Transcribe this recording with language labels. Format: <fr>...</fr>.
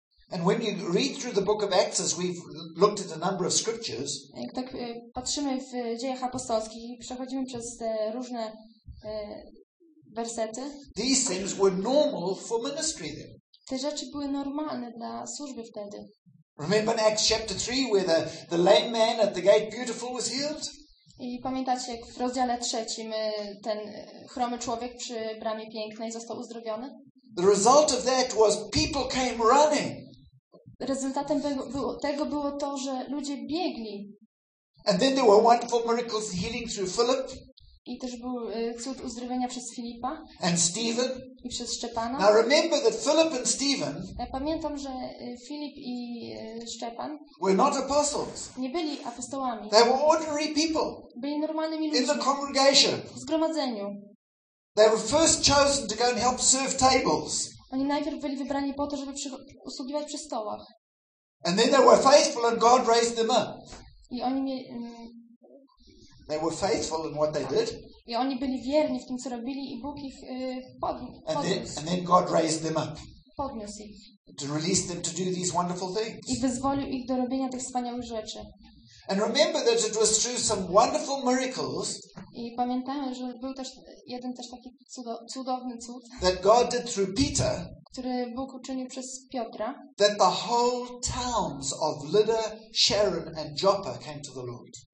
<en>And when you read through the book of Acts, as we've looked at a number of scriptures.</en> <pl>Jak tak patrzymy w Dziejach Apostolskich, przechodzimy przez te różne wersety.</pl> <en>These things were normal for ministry then.</en> <pl>Te rzeczy były normalne dla służby wtedy.</pl> <en>Remember in Acts chapter 3 where the lame man at the gate beautiful was healed?</en> <pl>I pamiętacie, jak w rozdziale 3 ten chromy człowiek przy bramie pięknej został uzdrowiony?</pl> <en>The result of that was people came running.</en> <pl>Rezultatem tego było to, że ludzie biegli.</pl> <en>And then there were wonderful miracles of healing through Philip.</en> <pl>I też był cud uzdrowienia przez Filipa</pl> <en>and Stephen.</en> <pl>I przez Szczepana.</pl> <en>Now remember that Philip and Stephen.</en> <pl>Ja pamiętam, że Filip i Szczepan</pl> <en>were not apostles.</en> <pl>Nie byli apostołami.</pl> <en>They were ordinary people.</en> <pl>Byli normalnymi ludźmi.</pl> <en>In the congregation.</en> <pl>W zgromadzeniu.</pl> <en>They were first chosen to go and help serve tables.</en> <pl>Oni najpierw byli wybrani po to, żeby usługiwać przy stołach.</pl> <en>And then they were faithful and God raised them up.</en> <pl>I oni</pl> <en>they were faithful in what they did.</en> <pl>I oni byli wierni w tym, co robili, i Bóg ich</pl> <en>and then God raised them up.</en> <pl>Podniósł ich.</pl> <en>To release them to do these wonderful things.</en> <pl>I wyzwolił ich do robienia tych wspaniałych rzeczy.</pl> <en>And remember that it was through some wonderful miracles.</en> <pl>I pamiętajmy, że był też jeden też taki cudowny cud.</pl> <en>That God did through Peter.</en> <pl>Który Bóg uczynił przez Piotra.</pl> <en>That the whole towns of Lydda, Sharon and Joppa came to the Lord.</en>